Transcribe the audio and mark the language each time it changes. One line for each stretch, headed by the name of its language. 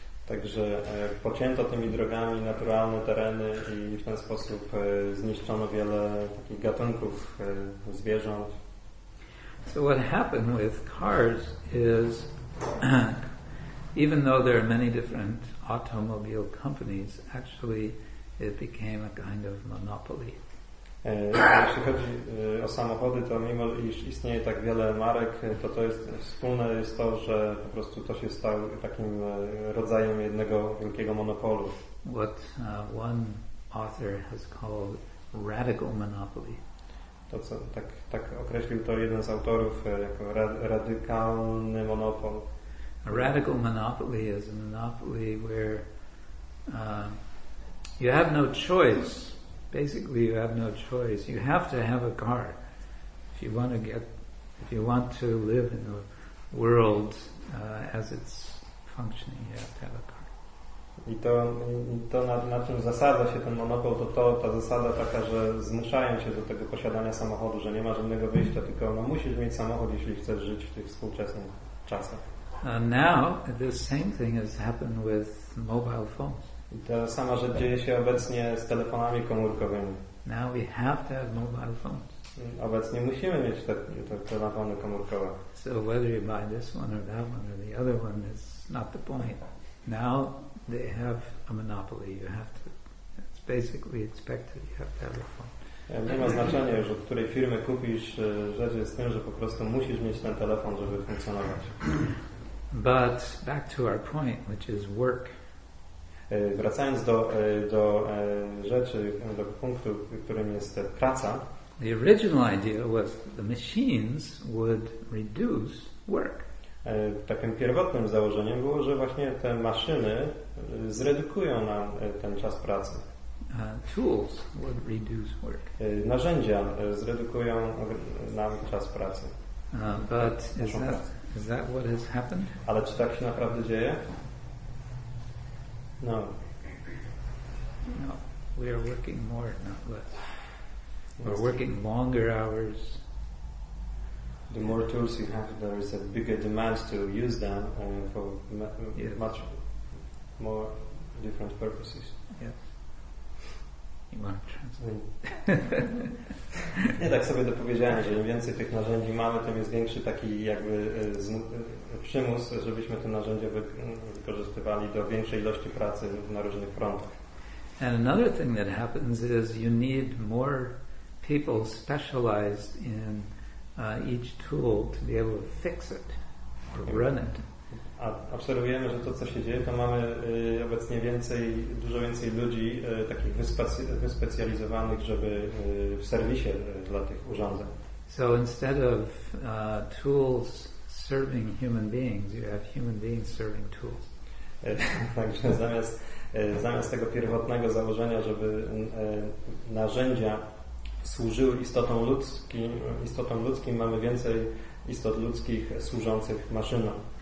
Polish: Także pocięto tymi drogami naturalne tereny i w ten sposób zniszczono wiele takich gatunków zwierząt.
English: So what happened with cars is even though there are many different automobile companies, actually it became a kind of monopoly.
Polish: Jeśli chodzi o samochody, to mimo iż istnieje tak wiele marek, to jest wspólne jest to, że po prostu to się stało takim rodzajem jednego wielkiego monopolu.
English: What one author has called radical monopoly.
Polish: To co tak określił to jeden z autorów jako radykalny monopol.
English: A radical monopoly is a monopoly where you have no choice. Basically, you have no choice. You have to have a car if you want to live in the world as it's functioning. You have to have a car.
Polish: I to na czym zasadza się ten monopol, to ta zasada taka, że zmuszają się do tego posiadania samochodu, że nie ma żadnego wyjścia, tylko no, musisz mieć samochód, jeśli chcesz żyć w tych współczesnych czasach.
English: Now, the same thing has happened with mobile phones.
Polish: I ta sama rzecz dzieje się obecnie z telefonami komórkowymi.
English: Now we have to have mobile phones.
Polish: Obecnie musimy mieć te telefony komórkowe.
English: So whether you buy this one or that one or the other one is not the point. Now they have a monopoly. You have to. It's basically expected you have to have a phone.
Polish: Nie ma znaczenia już, od której firmy kupisz rzecz, jest tym, że po prostu musisz mieć ten telefon, żeby funkcjonować.
English: But back to our point, which is work.
Polish: Wracając do rzeczy, do punktu, którym jest praca.
English: The original idea was the machines would reduce work.
Polish: Takim pierwotnym założeniem było, że właśnie te maszyny zredukują nam ten czas pracy.
English: Tools would reduce work.
Polish: Narzędzia zredukują nam czas pracy.
English: But is that what has happened?
Polish: Ale czy tak się naprawdę dzieje?
English: No. No, we are working more, not less. We're working longer hours. The more tools you have, there is a bigger demand to use them for much more different purposes. Yes. You want to translate?
Polish: Nie, tak sobie dopowiedziałem, że im więcej tych narzędzi mamy, tym jest większy taki jakby przymus, żebyśmy te narzędzia wykorzystywali do większej ilości pracy na różnych frontach.
English: And another thing that happens is you need more people specialized in each tool to be able to fix it or run it.
Polish: Obserwujemy, że to, co się dzieje, to mamy obecnie dużo więcej ludzi takich wyspecjalizowanych, żeby w serwisie dla tych urządzeń.
English: So instead of tools serving human beings, you have human beings serving tools.
Polish: Także zamiast tego pierwotnego założenia, żeby narzędzia służyły istotom ludzkim, mamy więcej istot ludzkich służących maszynom.